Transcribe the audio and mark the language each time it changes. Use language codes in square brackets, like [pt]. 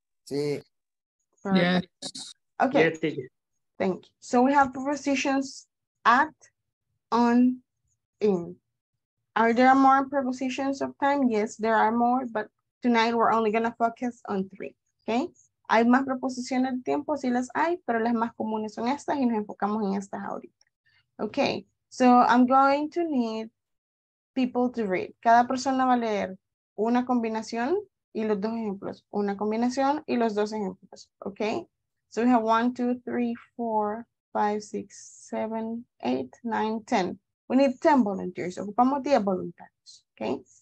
[es] Sí. [en] Yes. Okay. Thank you. So we have prepositions at, on, in. Are there more prepositions of time? Yes, there are more, but tonight we're only going to focus on three, okay? [es] Hay más preposiciones de tiempo, sí las hay, pero las más comunes son estas y nos enfocamos en estas ahorita. [en] Okay, so I'm going to need people to read. [es] Cada persona va a leer una combinación y los dos ejemplos. Una combinación y los dos ejemplos, [en] okay? So we have 1, 2, 3, 4, 5, 6, 7, 8, 9, 10. We need 10 volunteers. [es] Ocupamos 10 voluntarios. [en] Okay?